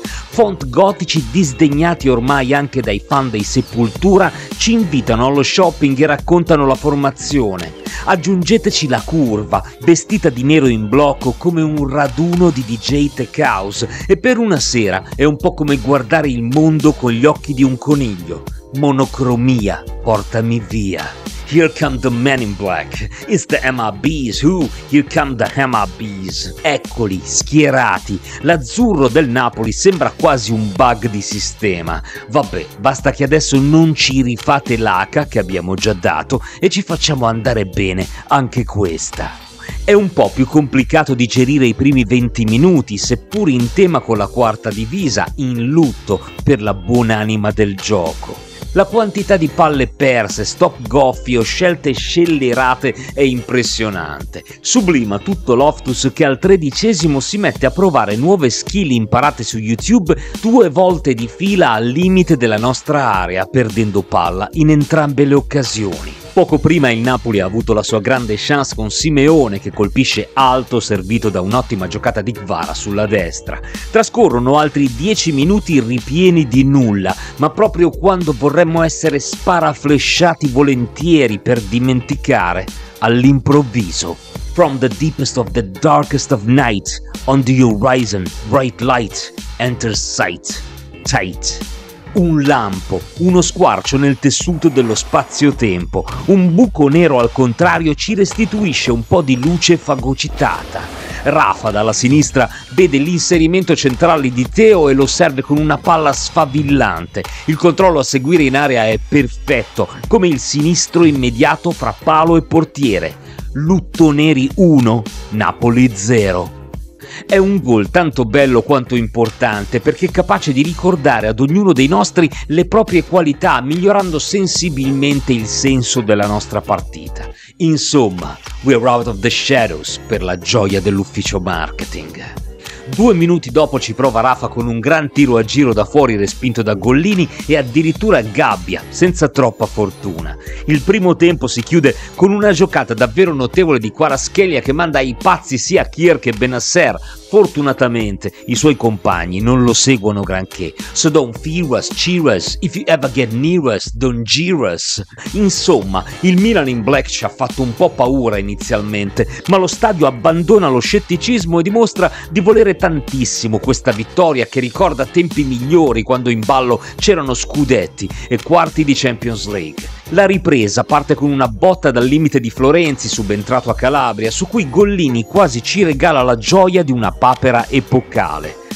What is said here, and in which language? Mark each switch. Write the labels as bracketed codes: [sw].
[it] Font gotici disdegnati ormai anche dai fan dei Sepultura ci invitano allo shopping e raccontano la formazione. Aggiungeteci la curva, vestita di nero in blocco come un raduno di DJ Tech House, e per una sera è un po' come guardare il mondo con gli occhi di un coniglio. Monocromia, portami via. [en] Here come the men in black, it's the MRBs, who? Here come the MRBs. [it] Eccoli, schierati, l'azzurro del Napoli sembra quasi un bug di sistema. Vabbè, basta che adesso non ci rifate l'H che abbiamo già dato e ci facciamo andare bene anche questa. È un po' più complicato digerire i primi 20 minuti, seppur in tema con la quarta divisa, in lutto per la buon'anima del gioco. La quantità di palle perse, stop goffi o scelte scellerate è impressionante. Sublima tutto Loftus che al tredicesimo si mette a provare nuove skill imparate su YouTube due volte di fila al limite della nostra area, perdendo palla in entrambe le occasioni. Poco prima il Napoli ha avuto la sua grande chance con Simeone che colpisce alto servito da un'ottima giocata di Kvara sulla destra. Trascorrono altri 10 minuti ripieni di nulla, ma proprio quando vorremmo essere sparaflesciati volentieri per dimenticare, all'improvviso. [en] From the deepest of the darkest of night, on the horizon, bright light, enters sight, tight. [it] Un lampo, uno squarcio nel tessuto dello spazio-tempo, un buco nero al contrario ci restituisce un po' di luce fagocitata. Rafa dalla sinistra vede l'inserimento centrale di Theo e lo serve con una palla sfavillante. Il controllo a seguire in area è perfetto, come il sinistro immediato fra palo e portiere. Lutto neri 1, Napoli 0. È un gol tanto bello quanto importante perché è capace di ricordare ad ognuno dei nostri le proprie qualità, migliorando sensibilmente il senso della nostra partita. Insomma, [en] we're out of the shadows [it] per la gioia dell'ufficio marketing. Due minuti dopo ci prova Rafa con un gran tiro a giro da fuori respinto da Gollini e addirittura Gabbia, senza troppa fortuna. Il primo tempo si chiude con una giocata davvero notevole di Kvaratskhelia che manda ai pazzi sia Kier che Bennacer. Fortunatamente i suoi compagni non lo seguono granché. [en] So don't fear us, cheer us, if you ever get near us, don't jeer us. [it] Insomma, il Milan in black ci ha fatto un po' paura inizialmente, ma lo stadio abbandona lo scetticismo e dimostra di volere tantissimo questa vittoria che ricorda tempi migliori quando in ballo c'erano scudetti e quarti di Champions League. La ripresa parte con una botta dal limite di Florenzi, subentrato a Calabria, su cui Gollini quasi ci regala la gioia di una papera epocale.